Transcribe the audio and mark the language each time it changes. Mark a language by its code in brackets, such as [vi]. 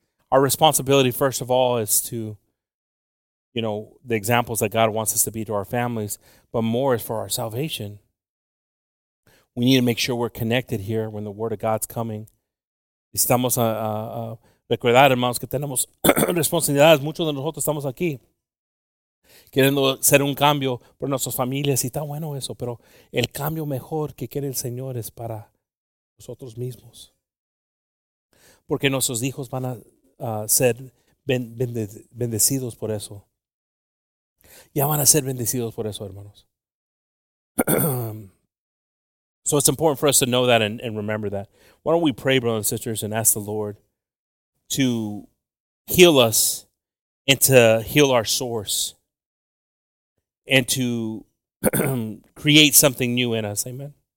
[en] Our responsibility, first of all, is to, you know, the examples that God wants us to be to our families, but more is for our salvation. We need to make sure we're connected here when the word of God's coming. [es] Estamos recordar, hermanos, que tenemos responsabilidades. Muchos de nosotros estamos aquí queriendo hacer un cambio por nuestras familias. Y está bueno eso, pero el cambio mejor que quiere el Señor es para nosotros mismos. Porque nuestros hijos van a ser bendecidos por eso. Ya van a ser bendecidos por eso, hermanos. [en] So it's important for us to know that and remember that. Why don't we pray, brothers and sisters, and ask the Lord to heal us and to heal our source and to create something new in us. Amen.